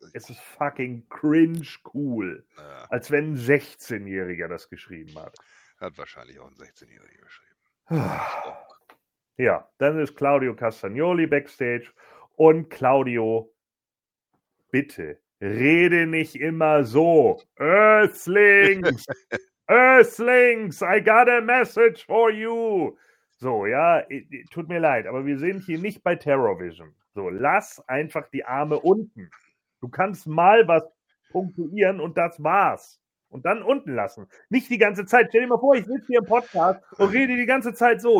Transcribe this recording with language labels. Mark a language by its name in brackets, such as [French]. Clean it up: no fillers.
[German] Es ist fucking cringe cool. Ja. Als wenn ein 16-Jähriger das geschrieben hat. Hat wahrscheinlich auch ein 16-Jähriger geschrieben. Ja, dann ist Claudio Castagnoli backstage, und Claudio, bitte. Rede nicht immer so. Earthlings! [English] Earthlings, I got a message for you. [German] So, ja, tut mir leid, aber wir sind hier nicht bei Terrorvision. So, lass einfach die Arme unten. Du kannst mal was punktuieren und das war's. Und dann unten lassen. Nicht die ganze Zeit. Stell dir mal vor, ich sitze hier im Podcast und rede die ganze Zeit so.